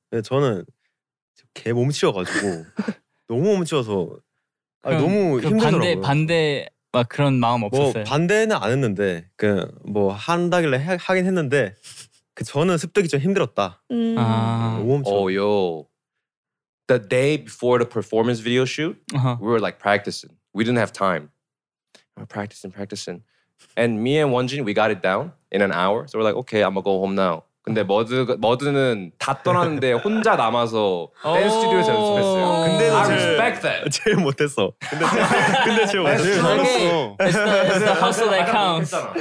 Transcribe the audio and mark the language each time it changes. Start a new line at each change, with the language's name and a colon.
Korean: 네, 저는 개 몸치여가지고 너무 몸치여서 아니, 너무 그 힘들더라고요. 반대 막 그런 마음 없었어요? 뭐 반대는 안 했는데 그 뭐 한다길래 하긴 했는데 그 저는 습득이 좀 힘들었다. 너무 몸치여.
English: Oh, yo. The day before the performance video shoot, we were like practicing. We didn't have time. We're practicing. And me and Wonjin, we got it down in an hour. So we're like, okay, I'm gonna go home now.
Korean: 근데 머드는 다 떠났는데 혼자 남아서 댄스 스튜디오에서 연습했어요. 근데
English: I respect that.
Korean: 제일 못했어. 근데 제일 못했어.
English: It's the hustle that counts.